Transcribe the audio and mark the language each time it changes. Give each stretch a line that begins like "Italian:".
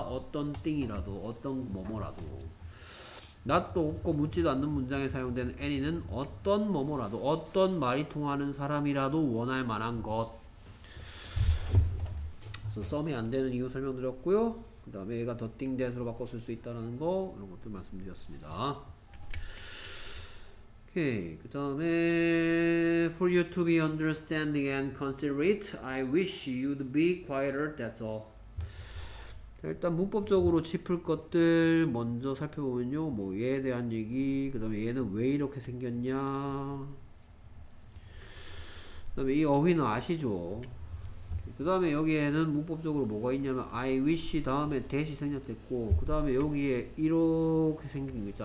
Korean: 어떤 띵이라도, 어떤 뭐뭐라도. 낫도 없고 묻지도 않는 문장에 사용된 any는 어떤 뭐뭐라도, 어떤 말이 통하는 사람이라도 원할 만한 것. 그래서 썸이 안 되는 이유 설명드렸고요. 그 다음에 얘가 더 띵 대수로 바꿔 쓸수 있다는 거, 이런 것도 말씀드렸습니다. 오케이, 그 다음에
English: For you to be understanding and considerate, I wish you'd be quieter, that's all.
Korean: 일단 문법적으로 짚을 것들 먼저 살펴보면요, 뭐 얘에 대한 얘기, 그 다음에 얘는 왜 이렇게 생겼냐, 그 다음에 이 어휘는 아시죠? 그 다음에 여기에는 문법적으로 뭐가 있냐면 I wish 다음에 that이 생략됐고, 그 다음에 여기에 이렇게 생긴 거 있죠.